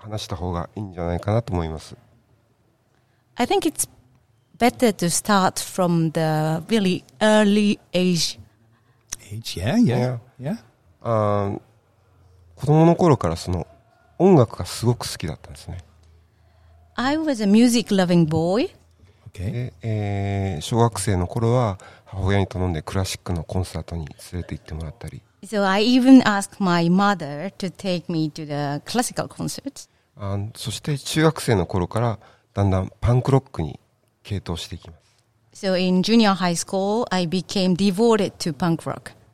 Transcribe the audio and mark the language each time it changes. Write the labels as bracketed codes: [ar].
[ja] 最初からその私の幼少期の頃から話した方がいいんじゃないかなと思います。 [en] I think it's better to start from the really early age. Age, yeah. [ja] 子供の頃からその音楽がすごく好きだったんですね。 [en] I was a music loving boy. Okay. [ja] 小学生の頃は母親に頼んでクラシックのコンサートに連れて行ってもらったり。 [en] So I even asked my mother to take me to the classical concerts. [ja] そして中学生の頃からだんだんパンクロックに傾倒していきます。 [en] So in junior high school, I became devoted to punk rock.